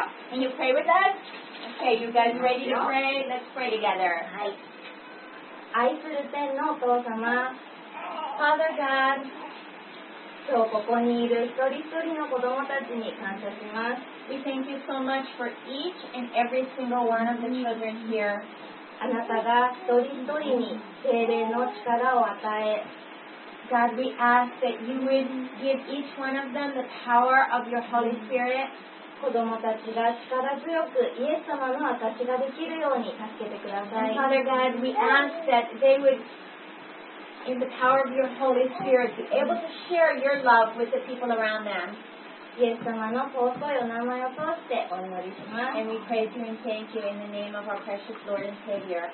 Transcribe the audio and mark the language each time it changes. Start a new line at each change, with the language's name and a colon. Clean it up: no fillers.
English: Can you pray with us? Okay, you guys ready to pray? Let's pray together.
Japanese: 愛する天のお父様、
English: Father God,
Japanese: 今日ここにいる一人一人の子供たちに感謝します。
English: We thank you so much for each and every single one of the children here.
Japanese: あなたが一人一人に聖霊の力を与え
English: God, we ask that you would give each one of them the power of your Holy Spirit
Japanese: 子供たちが力強くイエス様の証ができるように助けてください
English: Father God, we ask that they would in the power of your Holy Spirit be able to share your love with the people around them
Japanese: イエス様の尊いお名前を通してお祈りします。
English: And we praise you and thank you in the name of our precious Lord and Savior.